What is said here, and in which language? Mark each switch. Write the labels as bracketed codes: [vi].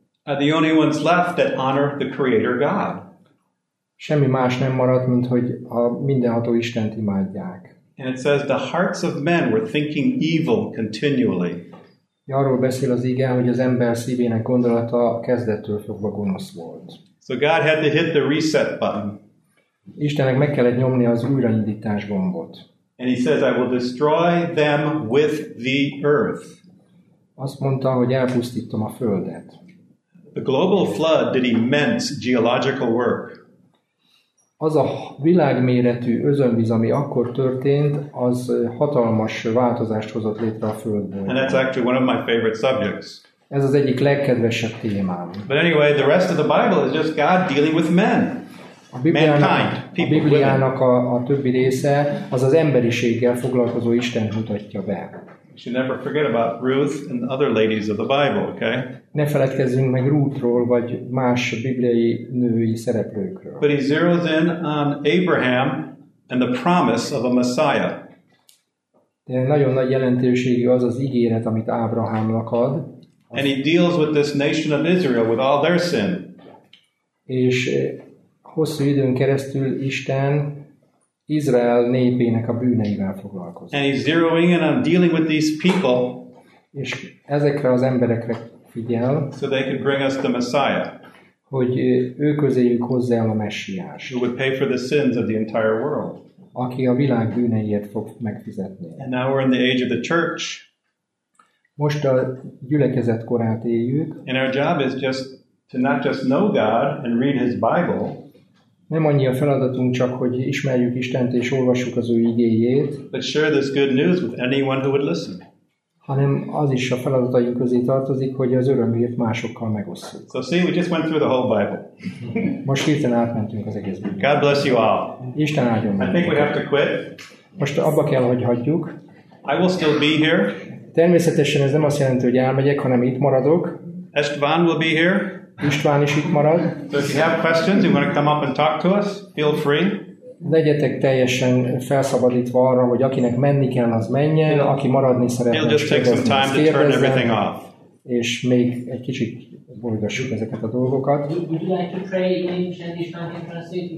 [en] are the only ones left that honor the Creator God. [hu] Semmi más nem maradt, mint hogy a mindenható Istent imádják. [en] And it says the hearts of men were thinking evil continually. [hu] Arról beszél az ige, hogy az ember szívének gondolata kezdettől fogva gonosz volt. [en] So God had to hit the reset button. [hu] Istennek meg kellett nyomni az újraindítás gombot. [en] And he says, I will destroy them with the earth. [hu] Azt mondta, hogy elpusztítom a földet. [en] The global flood did immense geological work. [hu] Az a világméretű özönvíz, ami akkor történt, az hatalmas változást hozott létre a földből. [en] And that's actually one of my favorite subjects. [hu] Ez az egyik legkedvesebb témám. [en] But anyway, the rest of the Bible is just God dealing with men. [hu] A Bibliának a többi része az az emberiséggel foglalkozó Isten mutatja be. [en] You should never forget about Ruth and the other ladies of the Bible, okay? [hu] Ne feledkezzünk meg Ruthról vagy más bibliai női szereplőkről. [en] But he zeroes in on Abraham and the promise of a Messiah. [hu] De nagyon nagy jelentőségű az az ígéret, amit Ábrahámnak ad. [en] And he deals with this nation of Israel with all their sin. [hu] És hosszú időn keresztül Isten Izrael népének a bűneivel foglalkozik. [en] And he's zeroing in on dealing with these people. [hu] És ezekre az emberekre figyel. [en] So they can bring us the Messiah. [hu] Hogy ő közéjük hozza el a Messiást. [en] Who would pay for the sins of the entire world. [hu] Aki a világ bűneiért fog megfizetni. [en] And now we're in the age of the church. [hu] Most a gyülekezet korát éljük. [en] And our job is just to not just know God and read His Bible. [hu] Nem annyi a feladatunk csak, hogy ismerjük Istent és olvassuk az ő igéjét. [en] But share this good news with anyone who would listen. [hu] Hanem az is a feladataink közé tartozik, hogy az örömhírt másokkal megosszuk. [en] So see, we just went through the whole Bible. [hu] Most hirtelen átmentünk az egész Bibliát. [en] God bless you all. [hu] Isten áldjon mindenkit. [en] I think we have to quit. [hu] Most abba kell, hogy hagyjuk. [en] I will still be here. [hu] Természetesen ez nem azt jelenti, hogy elmegyek, hanem itt maradok. [en] István will be here. [hu] István is itt marad. [en] So if you have questions, you want to come up and talk to us, feel free. [hu] Legyetek teljesen felszabadítva arra, hogy akinek menni kell, az menjen, aki maradni szeretne, [en] he'll just take some time to turn everything off. [hu] És még egy kicsit bolygassuk ezeket a dolgokat. [en] Would you like to pray in English and in translation?